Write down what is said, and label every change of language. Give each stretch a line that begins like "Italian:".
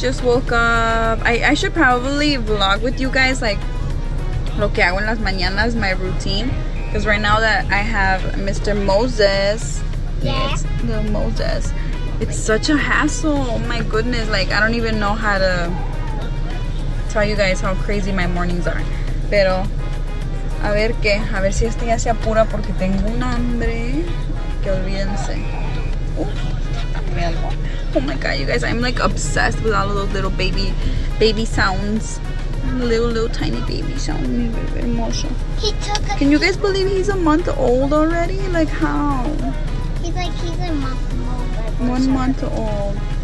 English: Just woke up. I should probably vlog with you guys like
Spanish: lo que hago en las mañanas,
English: my routine. Because right now that I have Mr. Moses. Yes. The Moses. It's such a hassle. Oh my goodness. Like I don't even know how to tell you guys how crazy my mornings are.
Spanish: Pero, a ver qué, a ver si este ya se apura porque tengo un hambre. Que olvídense.
English: Oh my god, you guys, I'm like obsessed with all of those little baby sounds. Little tiny baby sounds. Very, very emotional. He took a Can you guys believe he's a month old already? Like how? He's a month old.